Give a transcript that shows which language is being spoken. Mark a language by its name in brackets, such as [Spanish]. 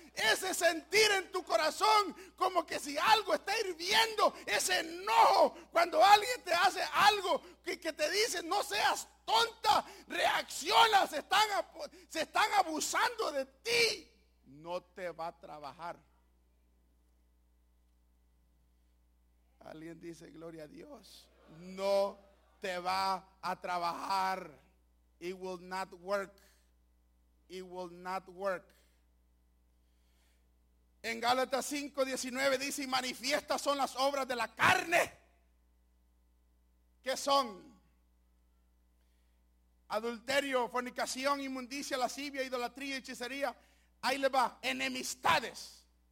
[Spanish] Ese sentir en tu corazón como que si algo está hirviendo, ese enojo cuando alguien te hace algo que te dice no seas tonta, reacciona, se están abusando de ti, no te va a trabajar. Alguien dice gloria a Dios, no te va a trabajar. [English] It will not work, it will not work. [Spanish] En Gálatas 5:19 dice, y manifiestas son las obras de la carne. ¿Qué son? Adulterio, fornicación, inmundicia, lascivia, idolatría, hechicería. Ahí le va, enemistades.